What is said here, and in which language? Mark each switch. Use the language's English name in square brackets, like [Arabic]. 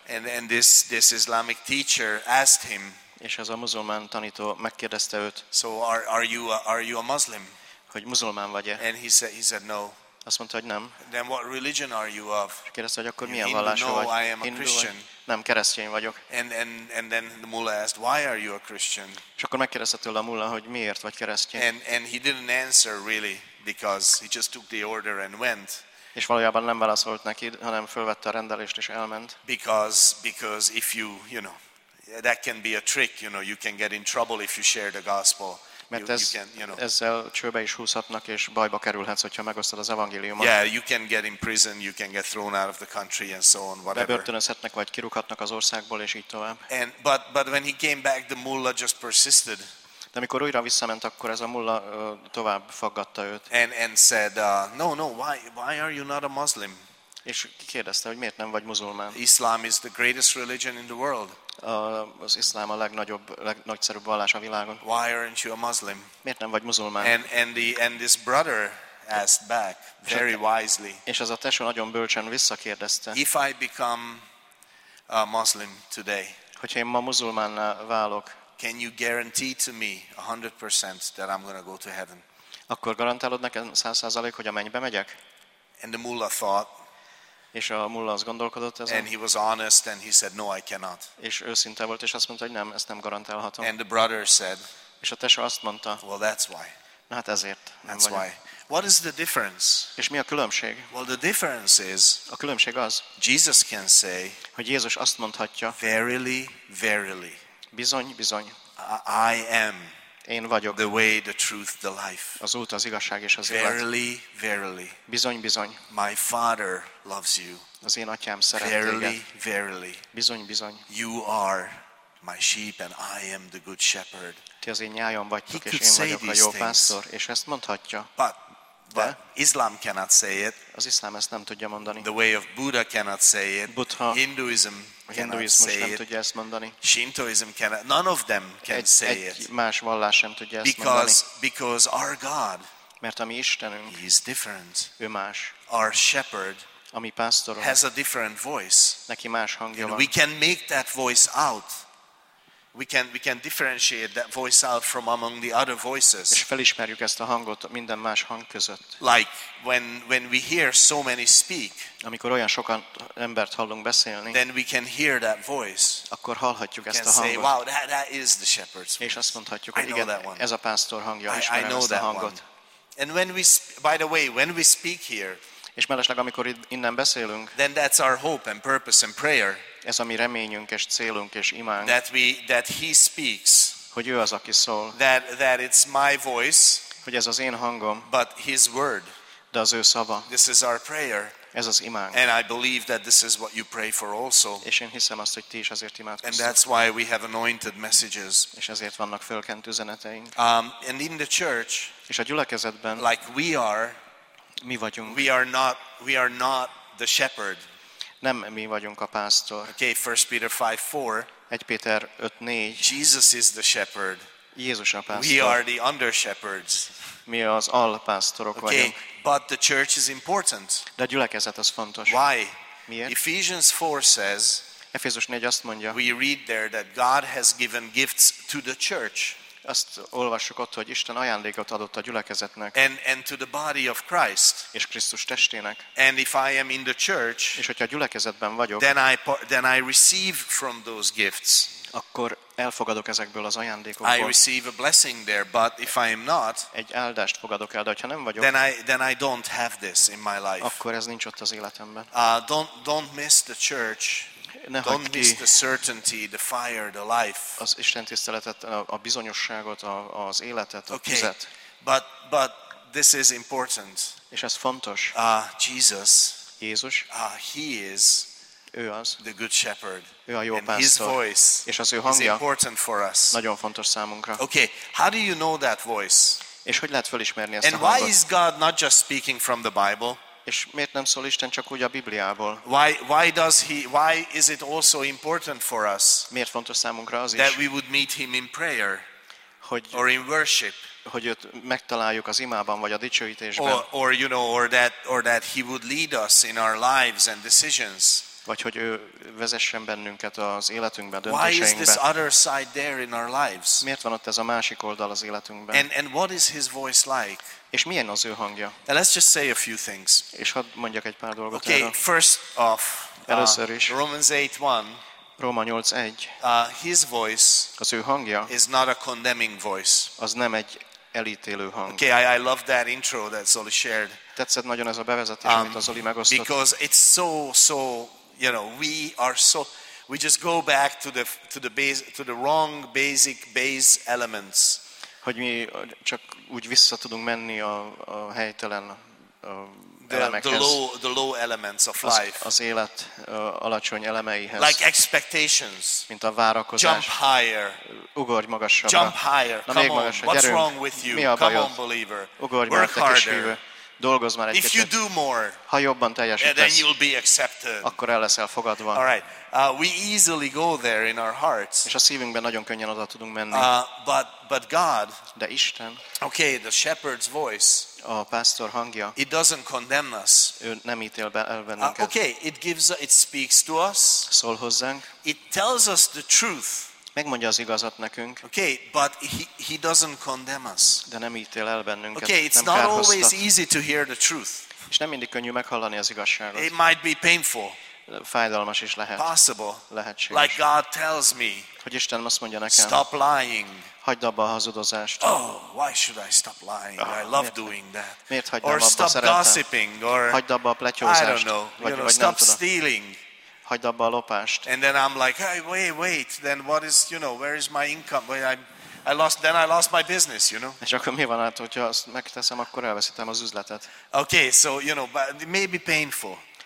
[English] And this Islamic teacher asked him. [Hungarian] És ez a muzulmán tanító megkérdezte őt. [English] So are you a Muslim? [Hungarian] Hogy muzulmán vagy-e? [English] And he said no. [Hungarian] Azt mondta, hogy nem. [English] Then what religion are you of? [Hungarian] Kérdezte, hogy akkor milyen vallású vagy? [English] No, I am a Christian. [Hungarian] Nem, keresztény vagyok. [English] And then the mullah asked, why are you a Christian? [Hungarian] És akkor megkérdezte tőle a mullah, hogy miért vagy keresztény. [English] And he didn't answer really, because he just took the order and went. [Hungarian] És valójában nem válaszolt neki, hanem fölvette a rendelést és elment. [English] Because if you know, that can be a trick, you know, you can get in trouble if you share the gospel. [Hungarian] Mert ez, ezzel csőbe is húzhatnak és bajba kerülhetsz, hogyha megosztod az evangéliumot. [English] Yeah, you can get in prison, you can get thrown out of the country and so on, whatever. [Hungarian] Bebörtönözhetnek vagy kirúghatnak az országból és így tovább. [English] And but when he came back, the mullah just persisted. [Hungarian] De amikor újra visszament, akkor ez a mulla tovább faggatta őt. [English] And said, no, why are you not a Muslim? [Hungarian] És kérdezte, hogy miért nem vagy muzulmán? [English] Islam is the greatest religion in the world. [Hungarian] Az iszlám a legnagyobb, legnagyszerűbb vallás a világon. [English] Why aren't you a Muslim? [Hungarian] Miért nem vagy muzulmán? [English] And this brother asked back very wisely. [Hungarian] És az a tesó nagyon bölcsen visszakérdezte. [English] If I become a Muslim today. [Hungarian] Hogyha én ma muzulmánná válok. [English] Can you guarantee to me 100% that I'm going to go to heaven? [Hungarian] Akkor garantálod nekem 100%, hogy a mennybe megyek? [English] And the mullah thought. [Hungarian] És a mulla azt gondolkodott ezen. [English] And he was honest and he said no, I cannot. [Hungarian] És őszinte volt és azt mondta, hogy nem, ezt nem garantálhatom. [English] And the brother said. [Hungarian] És a tesó azt mondta. [English] Well, that's why. [Hungarian] Na, hát ezért. [English] That's why. What is the difference? [Hungarian] És mi a különbség? [English] Well, the difference is. [Hungarian] A különbség az. [English] Jesus can say. [Hungarian] Hogy Jézus azt mondhatja. [English] Verily, verily. [Hungarian] Bizony, bizony. [English] I am. [Hungarian] Én vagyok. [English] The way, the truth, the life. [Hungarian] Az út, az igazság és az [English] verily, [Hungarian] élet. [English] Verily, verily. [Hungarian] Bizony, bizony. [English] My Father loves you. [Hungarian] Az én atyám szeret téged. [English] Verily, [Hungarian] téged. [English] Verily. [Hungarian] Bizony, bizony. [English] You are my sheep and I am the good shepherd. [Hungarian] Ti az én nyájam vagytok, és én vagyok a jó pásztor, és ezt mondhatja. [English] But Islam cannot say it. [Hungarian] Az iszlám ezt nem tudja mondani. [English] The way of Buddha cannot say it. [Hungarian] Buddha. [English] Hinduism. [Hungarian] A hinduizmus nem tudja ezt mondani. [English] Shintoism cannot. None of them can say it. [Hungarian] Más vallás sem tudja ezt mondani. [English] Because our God. [Hungarian] Mert a mi Istenünk. [English] He is different. [Hungarian] Ő más. [English] Our shepherd. [Hungarian] A mi pásztorom. [English] Has a different voice. [Hungarian] Neki más hangja van. [English] We can make that voice out. We can differentiate that voice out from among the other voices. [Hungarian] És felismerjük ezt a hangot minden más hang között. [English] Like when we hear so many speak. [Hungarian] Amikor olyan sokan embert hallunk beszélni. [English] Then we can hear that voice. [Hungarian] Akkor hallhatjuk ezt a hangot. [English] Say, wow, that is the shepherd's voice. [Hungarian] És azt mondhatjuk, hogy igen, ez a pásztor hangja. [English] I know that [Hungarian] hangot. [English] One. And when we by the way, when we speak here. [Hungarian] És mellesleg amikor innen beszélünk. [English] Then that's our hope and purpose and prayer. [Hungarian] Ez a mi reményünk és célunk és imánk. [English] That he speaks. [Hungarian] Hogy ő az, aki szól. [English] That it's my voice. [Hungarian] Hogy ez az én hangom. [English] But his word. [Hungarian] De az ő szava. [English] This is our prayer. [Hungarian] Ez az imánk. [English] And I believe that this is what you pray for also. [Hungarian] És én hiszem azt, hogy ti is azért imádkoztok. [English] And that's why we have anointed messages. [Hungarian] És ezért vannak fölkent üzeneteink. [English] And in the church. [Hungarian] És a gyülekezetben. [English] Like we are. [Hungarian] Mi vagyunk. [English] We are not the shepherd. [Hungarian] Nem mi vagyunk a pásztor. [English] Okay, 1 Peter 5:4. [Hungarian] 1 Péter 5:4. [English] Jesus is the shepherd. [Hungarian] Jézus a pásztor. [English] We are the under shepherds. [Hungarian] Mi az alpásztorok [English] vagyunk. Okay, but the church is important. [Hungarian] De a gyülekezet az fontos. [English] Why? [Hungarian] Miért? [English] Ephesians 4 says. [Hungarian] Efézus 4 azt mondja. [English] We read there that God has given gifts to the church. [Hungarian] Azt olvassuk ott, hogy Isten ajándékot adott a gyülekezetnek. [English] And to the body of Christ. [Hungarian] És Krisztus testének. [English] And if I am in the church. [Hungarian] És hogyha a gyülekezetben vagyok. [English] Then I receive from those gifts. [Hungarian] Akkor elfogadok ezekből az ajándékokból. [English] I receive a blessing there, but if I am not. [Hungarian] Egy áldást fogadok el, de ha nem vagyok. [English] Then I don't have this in my life. [Hungarian] Akkor ez nincs ott az életemben. [English] Don't miss the church. Don't miss the certainty, the fire, the life. [Hungarian] Az Isten tiszteletet, a bizonyosságot, az életet, a tüzet. [English] But this is important. [Hungarian] És ez fontos. [English] Jesus. [Hungarian] Jézus. [English] He is. [Hungarian] Ő az. [English] The good shepherd. [Hungarian] Ő a jó pásztor. [English] And his voice. [Hungarian] És az ő hangja. [English] Is important for us. [Hungarian] Nagyon fontos számunkra. [English] Okay. How do you know that voice? [Hungarian] És hogy lehet felismerni ezt a hangot? [English] And why is God not just speaking from the Bible? [Hungarian] És miért nem szól Isten csak úgy a Bibliából? [English] Why is it also important for us? [Hungarian] Miért fontos számunkra az is? [English] That we would meet him in prayer. [Hungarian] Hogy [English] or in worship. [Hungarian] Hogy őt megtaláljuk az imában vagy a dicsőítésben. [English] Or that he would lead us in our lives and decisions. [Hungarian] Vagy hogy ő vezessen bennünket az életünkben, [English] döntéseinkben. Why is this other side there in our lives? [Hungarian] Miért van ott ez a másik oldal az életünkben? [English] And what is his voice like? [Hungarian] És milyen az ő hangja? [English] And let's just say a few things. [Hungarian] És hadd mondjak egy pár dolgot. [English] Okay, [Hungarian] erre. [English] First off, [Hungarian] először is. [English] Romans 8:1. [Hungarian] Róma 8:1. [English] His voice. [Hungarian] Az ő hangja. [English] Is not a condemning voice. [Hungarian] Az nem egy elítélő hang. [English] Okay, I love that intro that Zoli shared. [Hungarian] Tetszett nagyon ez a bevezetés, amit a Zoli megosztott. [English] Because it's so, you know, we are so, we just go back to the wrong basic base elements. [Hungarian] hogy mi csak úgy vissza tudunk menni a helytelen [English] the low elements of life, [Hungarian] az élet alacsony elemeihez, [English] like expectations, [Hungarian] mint a várakozás, [English] jump higher, [Hungarian] ugorj magasabbra, [English] jump higher, [Hungarian] na, [English] come on, what's wrong with you, come on believer, [Hungarian] ugorj, [English] work harder, [Hungarian] dolgozz már egy [English] kicsit, if you do more, [Hungarian] ha jobban teljesítesz, [English] then you'll be accepted, [Hungarian] akkor el leszel fogadva. [English] All right, we easily go there in our hearts, [Hungarian] és a szívünkben nagyon könnyen oda tudunk menni, [English] but God, [Hungarian] de Isten, [English] okay, the shepherd's voice, [Hungarian] a pásztor hangja, [English] it doesn't condemn us, [Hungarian] ő nem ítél be el bennünket, [English] okay, it gives, it speaks to us, [Hungarian] szól hozzánk, [English] it tells us the truth, [Hungarian] megmondja az igazat nekünk, [English] okay, but he doesn't condemn us, [Hungarian] de nem ítél el bennünket, [English] okay, it's [Hungarian] nem [English] not [Hungarian] kárhoztat, [English] always easy to hear the truth, [Hungarian] és nem mindig könnyű meghallani az igazságot, [English] it might be painful, [Hungarian] fájdalmas is lehet, [English] possible, [Hungarian] lehetséges, [English] like God tells me, [Hungarian] hogy Isten azt mondja nekem, [English] stop lying, [Hungarian] hagyd abba a hazudozást. [English] Oh, why should I stop lying? Oh, I love doing that. [Hungarian] Miért hagyd [English] or [Hungarian] abba [English] stop [Hungarian] szeretem? [English] Gossiping or [Hungarian] hagyd abba a pletyózást. [English] I don't know. [Hungarian] Vagy, [English] you know, [Hungarian] vagy [English] stop stealing. [Hungarian] Hagyd abba a lopást. [English] And then I'm like, hey, wait, then what is, you know, where is my income? Well, I lost my business, you know. [Hungarian] És akkor mi van át, hogyha azt megteszem, akkor elveszítem az üzletet. [English] Okay, so you know, but it may be painful.